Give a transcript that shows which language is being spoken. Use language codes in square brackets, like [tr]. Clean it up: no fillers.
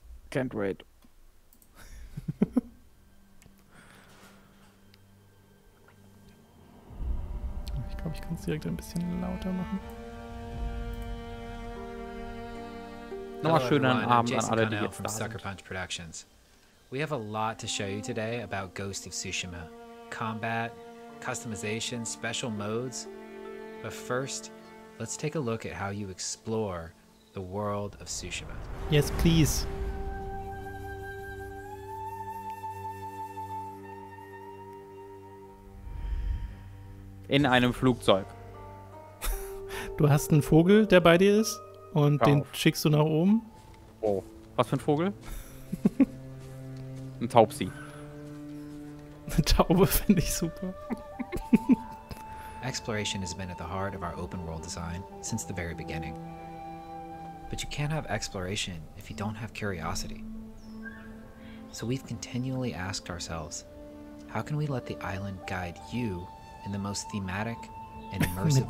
[en] Can't wait. [de] Ja. glaube, ich kann es direkt ein bisschen lauter machen. Nochmal schönen Abend an alle, die jetzt da sind. [en] Sucker Punch Productions. We have a lot to show you today about Ghost of Tsushima. Combat, customization, special modes. But first, let's take a look at how you explore the world of Tsushima. Yes, please. [de] In einem Flugzeug. Du hast einen Vogel, der bei dir ist, und den schickst du nach oben. Oh, was für ein Vogel? Ein Taubsi. Eine Taube finde ich super. [en] Exploration has been at the heart of our open world design since the very beginning. But you can't have exploration if you don't have curiosity. So we've continually asked ourselves, how can we let the island guide you in the most thematic and immersive